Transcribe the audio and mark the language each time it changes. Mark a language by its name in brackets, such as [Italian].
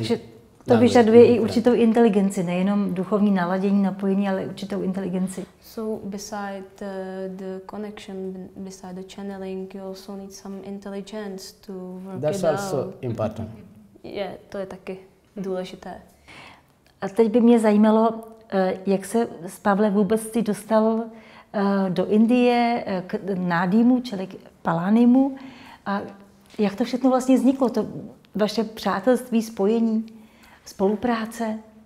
[Czech] Takže to vyžaduje i určitou inteligenci, nejenom duchovní naladění, napojení, ale určitou inteligenci. [English] So beside the connection, beside the channeling, you also need some intelligence to work That's it That's also out. Important. [Czech] Je, to je taky důležité. A teď by mě zajímalo, jak se s Pavlem vůbec ty dostal do Indie, k Nádímu, čili k Palánimu. A jak to všechno vlastně vzniklo, to vaše přátelství, spojení, spolupráce?